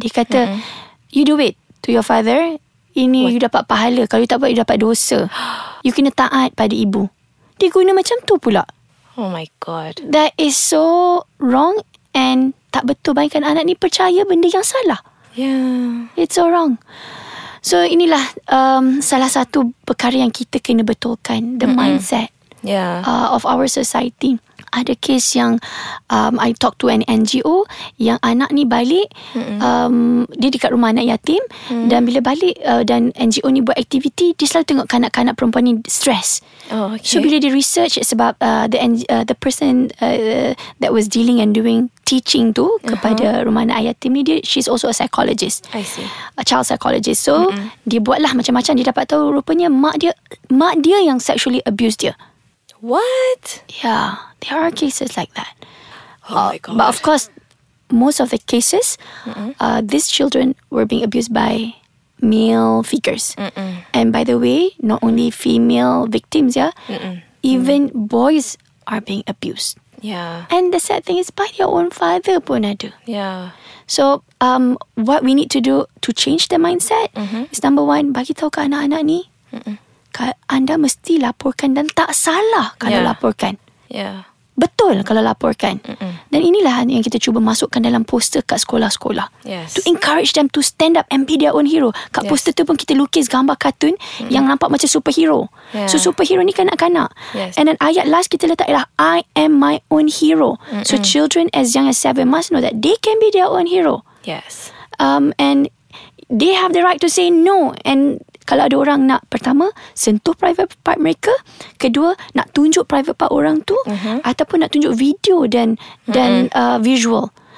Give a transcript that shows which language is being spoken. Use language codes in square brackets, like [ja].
[ms] Dia kata, [en] mm-mm, you do it to your father. [ms] Ini what? You dapat pahala. Kalau you tak buat, you dapat dosa. You kena taat pada ibu. diguna macam tu pula. [en] Oh my god. That is so wrong and [ms] tak betul. Baikkan anak ni percaya benda yang salah. [en] Yeah. It's so wrong. [ms] So inilah salah satu perkara yang kita kena betulkan. [en] The mm-hmm. mindset yeah. Of our society. [ms] Ada kes yang [en] I talk to an NGO [ms] yang anak ni balik dia dekat rumah anak yatim dan bila balik dan NGO ni buat aktiviti, dia selalu tengok kanak-kanak perempuan ni stress. [en] Oh, okay. [ms] So bila dia research sebab [en] the person that was dealing and doing teaching [ms] tu kepada rumah anak yatim ni, dia, [en] she's also a psychologist. I see. A child psychologist. So [ms] dia buatlah macam-macam. Dia dapat tahu rupanya mak dia yang sexually abuse dia. [en] What? Yeah. There are cases like that. Oh my god. But of course, most of the cases, these children were being abused by male figures. Mm-mm. And by the way, not only female victims, yeah? Mm-mm. Even boys are being abused. Yeah. And the sad thing is, by their own father [ms] pun ada. [en] Yeah. So, what we need to do to change the mindset is number one, [ms] bagi tahu ke anak-anak ni, anda mesti laporkan dan tak salah kalau laporkan. [en] Yeah. [ms] Betul kalau laporkan. Mm-mm. Dan inilah yang kita cuba masukkan dalam poster kat sekolah-sekolah. [en] Yes. To encourage them to stand up and be their own hero. [ms] Kat poster tu pun kita lukis gambar kartun yang nampak macam superhero. [en] Yeah. [ms] So superhero ni kanak-kanak. [en] Yes. [ms] And then ayat last kita letak ialah [en] I am my own hero. Mm-mm. So children as young as 7 must know that they can be their own hero. Yes. And they have the right to say no. [ms] And kalau ada orang nak, pertama, sentuh private part mereka. Kedua, nak tunjuk private part orang tu. Mm-hmm. Ataupun nak tunjuk video dan visual.